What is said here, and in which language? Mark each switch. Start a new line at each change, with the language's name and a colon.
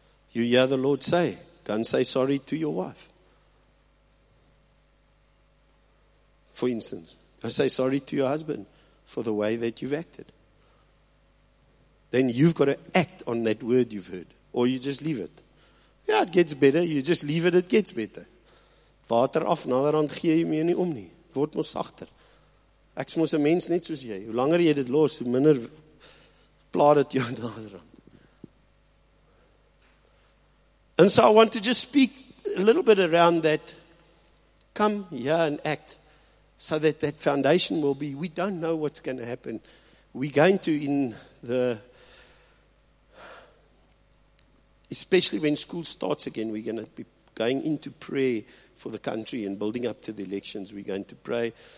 English: You hear the Lord say, go and say sorry to your wife. For instance, I say sorry to your husband for the way that you've acted. Then you've got to act on that word you've heard, or you just leave it. Yeah, it gets better. You just leave it, it gets better.
Afrikaans: Water af, naderhand gee jy meer nie om nie. Word mos sagter. Ek mos 'n mens net soos jy. Hoe langer jy dit los, hoe minder pla dit jou naderhand.
English: And so I want to just speak a little bit around that. Come here and act so that that foundation will be. We don't know what's going to happen. We're going to in the, especially when school starts again, we're going to be going into prayer for the country and building up to the elections. We're going to pray.